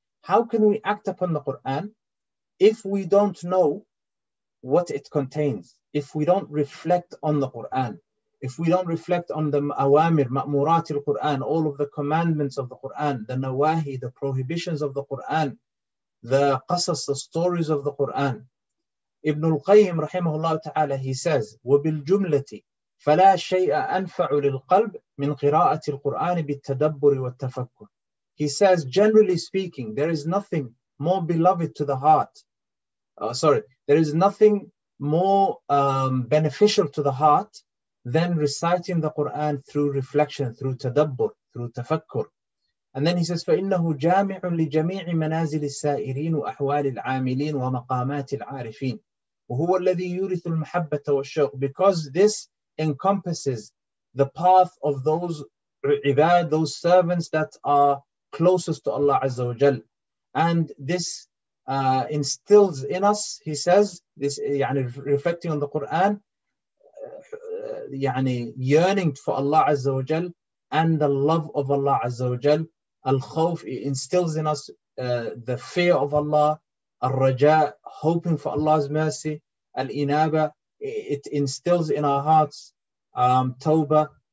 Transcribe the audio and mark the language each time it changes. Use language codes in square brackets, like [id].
[en] How can we act upon the Qur'an if we don't know what it contains, if we don't reflect on the Qur'an, if we don't reflect on the awamir, ma'murat al-Qur'an, all of the commandments of the Qur'an, the nawahi, the prohibitions of the Qur'an, the qasas, the stories of the Qur'an. [ar] Ibn al-Qayyim, rahimahullah ta'ala, [en] he says, [ar] وَبِالْجُمْلَةِ فَلَا شَيْءَ أَنْفَعُ لِلْقَلْبِ مِنْ قِرَاءَةِ الْقُرْآنِ بِالتَّدَبُّرِ وَالتَّفَكُّرِ. [en] He says, generally speaking, there is nothing more beloved to the heart. There is nothing more beneficial to the heart than reciting the Qur'an through reflection, through tadabbur, through tafakkur. And then he says, [ar] فَإِنَّهُ جَامِعٌ لِجَمِيعِ مَنَازِلِ السَّائِرِينَ وَأَحْوَالِ الْعَامِلِينَ وَمَقَامَاتِ الْعَارِفِينَ وَهُوَ الَّذِي يُورِثُ الْمَحَبَّةَ وَالشَّوْقِ. [en] Because this encompasses the path of those ibad, those servants that are closest to Allah Azza wa Jal. And this instills in us, he says, this, يعني, reflecting on the Qur'an, يعني, yearning for Allah Azza wa Jal, and the love of Allah Azza wa Jal, al-khawf, instills in us the fear of Allah, al-raja, hoping for Allah's mercy, al-inaba, it instills in our hearts tawbah,